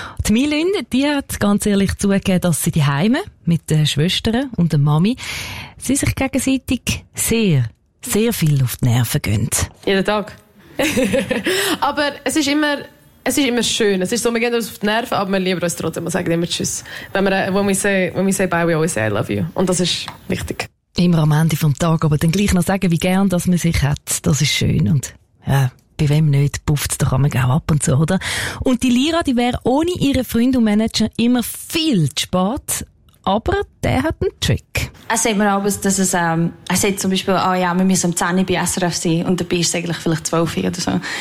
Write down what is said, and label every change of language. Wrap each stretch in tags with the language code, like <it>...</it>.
<de>Die Milin, die hat ganz ehrlich zugegeben, dass sie daheim mit den Schwestern und der Mami sie sich gegenseitig sehr, sehr viel auf die Nerven gehen. Jeden Tag. Aber es ist immer schön. Es ist so, wir gehen uns auf die Nerven, aber wir lieben uns trotzdem. Wir sagen immer Tschüss.</de> <en>When we say bye, we always say I love you.</en> <de>Und das ist wichtig. Immer am Ende vom Tag, aber dann gleich noch sagen, wie gern dass man sich hat. Das ist schön. Und ja, bei wem nicht, pufft es doch auch ab und zu, oder? Und die Lira, die wäre ohne ihren Freund und Manager immer viel zu spät. Aber der hat einen Trick. Er sagt mir abends, dass es, er sagt zum Beispiel, oh ja, wir müssen um 10 Uhr bei SRF sein und dabei ist es eigentlich vielleicht 12 Uhr oder so.</de>